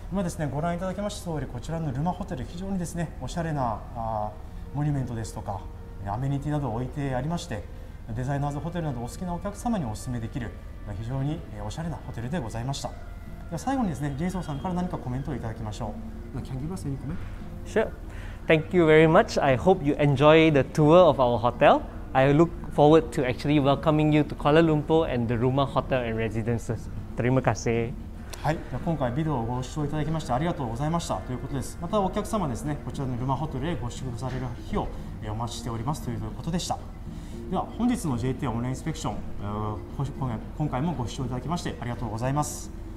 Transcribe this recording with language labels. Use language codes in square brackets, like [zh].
[ja] 今ですね、ご覧いただきました通り、こちらのルマホテル、非常にですね、おしゃれなモニュメントですとかアメニティなどを置いてありまして、デザイナーズホテルなどお好きなお客様にお勧めできる非常におしゃれなホテルでございました。では最後にですね、ジェイソンさんから何かコメントをいただきましょう。 [en] Can you give us any comment? Sure. Thank you very much. I hope you enjoy the tour of our hotel. I look forward to actually welcoming you to Kuala Lumpur and the Ruma Hotel and Residences. [ms] Terima kasih. [ja] はい、今回ビデオをご視聴いただきましてありがとうございましたということです。またお客様ですね、こちらのルマホテルへご宿泊される日をお待ちしておりますということでした。では本日の JT オンラインスペクション、今回もご視聴いただきましてありがとうございます。